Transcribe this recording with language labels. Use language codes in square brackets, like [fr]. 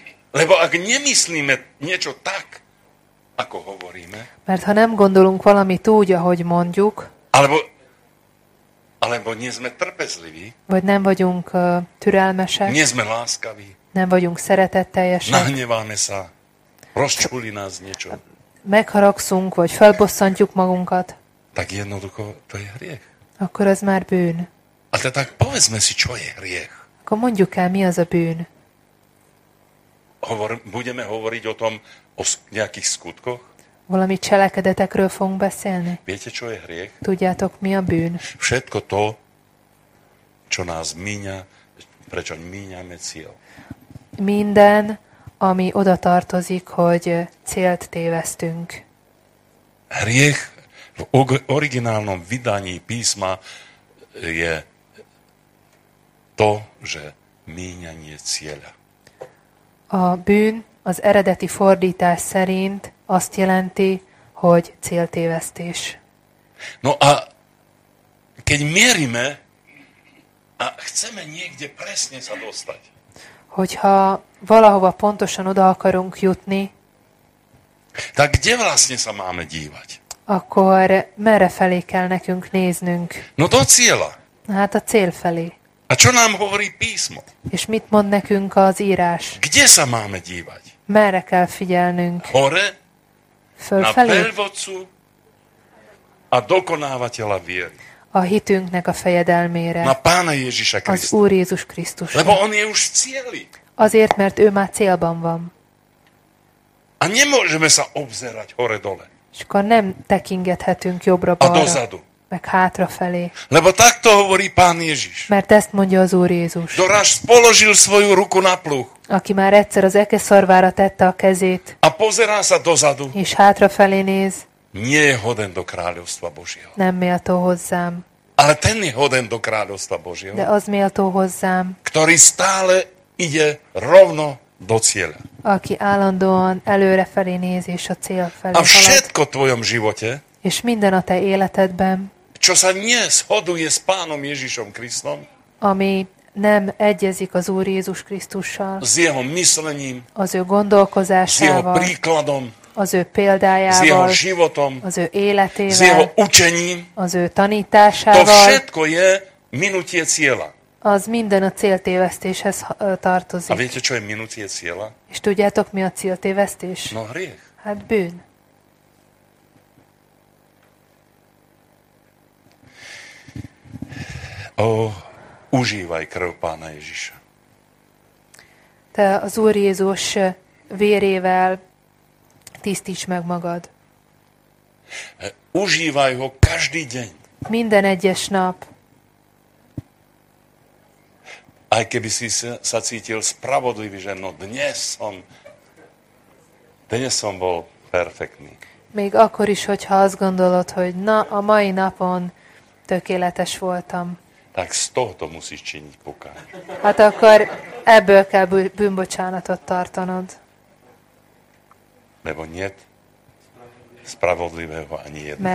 [sk] Lebo ak nemyslíme niečo tak, ako hovoríme. [hu] Mert ha nem gondolunk valamit úgy, ahogy mondjuk. [sk] Alebo nie sme trpezliví. [hu] Vagy nem vagyunk türelmesek. [sk] Nie sme láskaví. [hu] Nem vagyunk szeretetteljesek. [sk] Nahneváme sa. Rozčuli nás niečo. [hu] Megharagszunk, vagy felbosszantjuk magunkat. [sk] Tak jednoducho to je hriech. [hu] Akkor az már bűn. [sk] A te tak povedzme si, čo je hriech. [hu] Akkor mondjuk el, mi az a bűn. [sk] Budeme hovoriť o tom, o nejakých skutkoch? [hu] Valami cselekedetekről fogunk beszélni? [sk] Viete, čo je hriech? [hu] Tudjátok, mi a bűn? [sk] Všetko to, čo nás míňa, prečo míňame cieľ. [hu] Minden, ami oda tartozik, hogy célt tévesztünk. [sk] Hriech v originálnom vydaní písma je to, že míňanie cieľa. [hu] A bűn az eredeti fordítás szerint azt jelenti, hogy céltévesztés. [sk] No a keď mérime, a chceme niekde presne sa dostať. [hu] Hogyha valahova pontosan oda akarunk jutni, [sk] tak kde vlastne sa máme dívať? [hu] Akkor merre felé kell nekünk néznünk? [sk] No to cieľa. [hu] Hát a cél felé. [sk] A čo nám hovorí písmo? [hu] És mit mond nekünk az írás? [sk] Kde sa máme dívať? [hu] Merre kell figyelnünk? [sk] Hore? [hu] Fölfelé? [sk] Na veľvodcu a dokonávateľa viery. [hu] A hitünknek a fejedelmére. [sk] Na Pána Ježiša Krista. [hu] Az Úr Jézus Krisztus. [sk] Lebo on je už v cieli. [hu] Azért, mert ő már célban van. [sk] A nemôžeme sa obzerať hore dole. [hu] És akkor nem tekingethetünk jobbra-balra. [sk] A dozadu. [hu] Meg hátrafelé. [sk] Lebo takto hovorí Pán Ježiš. [hu] Mert ezt mondja az Úr Jézus. [sk] Doráž položil svoju ruku na pluh. [hu] Aki már egyszer az eke szarvára tette a kezét. [sk] A pozerá sa dozadu. [hu] És hátrafelé néz. [sk] Nie je hoden do kráľovstva Božieho. [hu] Nem méltó hozzám. [sk] Ale ten je hoden do kráľovstva Božieho. [hu] De az méltó hozzám. [sk] Ktorý stále ide rovno do cieľa. [hu] Aki állandóan előre felé néz és a cél felé halad. [sk] A všetko v tvojom živote. [hu] És minden a te életedben. [sk] Čo sa nie shoduje s Pánom Ježišom Kristom. [hu] Ami nem egyezik az Úr Jézus Krisztussal. [sk] S jeho myslením. [hu] Az ő gondolkozásával. [sk] S jeho príkladom. [hu] Az ő példájával, [sk] z jeho životom, [hu] az ő életével, [sk] z jeho učením, [hu] az ő tanításával, [sk] to všetko je minutie cieľa. [hu] Az minden a céltévesztéshez tartozik. [sk] A viete, čo je minutie cieľa? [hu] És tudjátok, mi a céltévesztés? [sk] No, hriech. [hu] Hát bűn. [sk] Ó, užívaj krv Pána Ježiša. [hu] Te az Úr Jézus vérével tisztíts meg magad. [sk] Užívaj ho každý deň. [hu] Minden egyes nap. [sk] Aj keby si sa cítil spravodlivý, že no dnes som bol perfektný. [hu] Még akkor is, hogyha azt gondolod, hogy na, a mai napon tökéletes voltam. [sk] Tak z tohto musíš činiť pokáň. [hu] Hát akkor ebből kell bűnbocsánatot tartanod. [sk] Lebo niet spravodlivého ani jedného.